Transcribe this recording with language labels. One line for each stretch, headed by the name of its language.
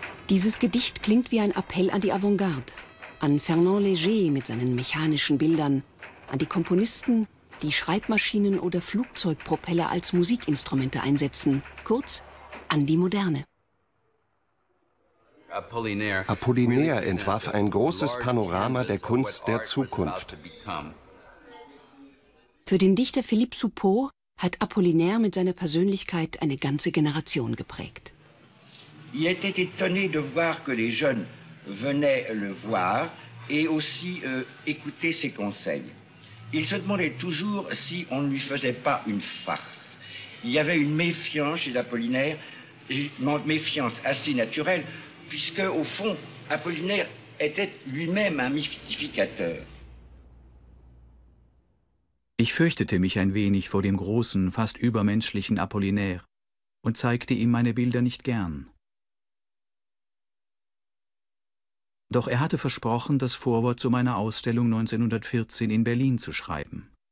German: Dieses Gedicht klingt wie ein Appell an die Avantgarde, an Fernand Léger mit seinen mechanischen Bildern, an die Komponisten, die Schreibmaschinen oder Flugzeugpropeller als Musikinstrumente einsetzen, kurz an die Moderne. Apollinaire entwarf ein großes Panorama der Kunst der Zukunft. Für den Dichter Philippe Soupault hat Apollinaire mit seiner Persönlichkeit eine ganze Generation geprägt.
French: Il était étonné de voir que les jeunes venaient le voir et aussi écouter ses conseils. Il se demandait toujours si on ne lui faisait pas une farce. Il y avait une méfiance chez Apollinaire, une méfiance assez naturelle, puisque au fond, Apollinaire était lui-même un mystificateur.
German: Ich fürchtete mich ein wenig vor dem großen, fast übermenschlichen Apollinaire und zeigte ihm meine Bilder nicht gern. Doch er hatte versprochen, das Vorwort zu meiner Ausstellung 1914 in Berlin zu schreiben.